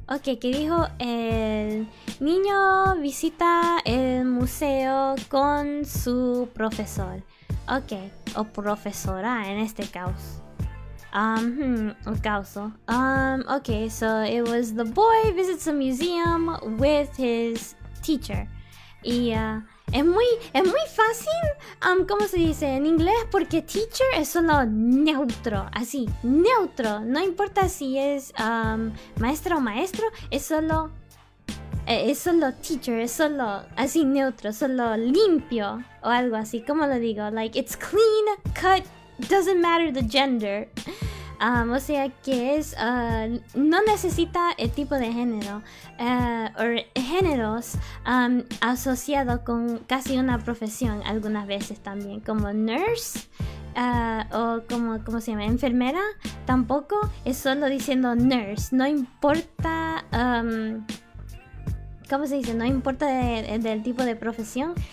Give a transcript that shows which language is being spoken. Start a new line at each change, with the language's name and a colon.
Spanish: Ok, que dijo el niño visita el museo con su profesor. Ok, o profesora en este caso.
English: Okay, so it was the boy visits a museum with his teacher.
Spanish: Y es muy fácil, ¿cómo se dice en inglés? Porque teacher es solo neutro, así, neutro. No importa si es maestro o maestro, es solo teacher, es solo así neutro, solo limpio o algo así. ¿Cómo lo digo?
English: Like, it's clean, cut, doesn't matter the gender.
Spanish: O sea que es no necesita el tipo de género o géneros asociado con casi una profesión algunas veces también, como nurse o como ¿cómo se llama? Enfermera, tampoco es solo diciendo nurse, no importa ¿cómo se dice? No importa del tipo de profesión.